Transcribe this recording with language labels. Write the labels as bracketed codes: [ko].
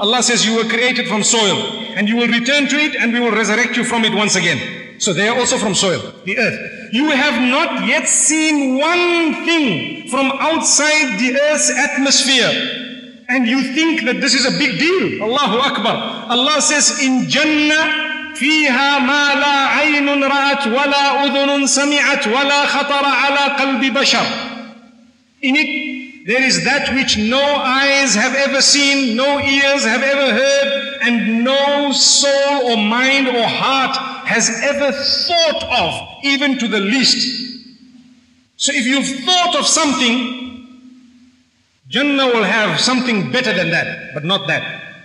[en] Allah says you were created from soil and you will return to it and we will resurrect you from it once again. So they are also from soil, the earth. You have not yet seen one thing from outside the earth's atmosphere and you think that this is a big deal. Allahu Akbar. Allah says in Jannah [ar] فيها ما لا عين رأت ولا أذن سمعت ولا خطر على قلب بشر. [en] In it, there is that which no eyes have ever seen, no ears have ever heard, and no soul or mind or heart has ever thought of, even to the least. So if you've thought of something, Jannah will have something better than that, but not that.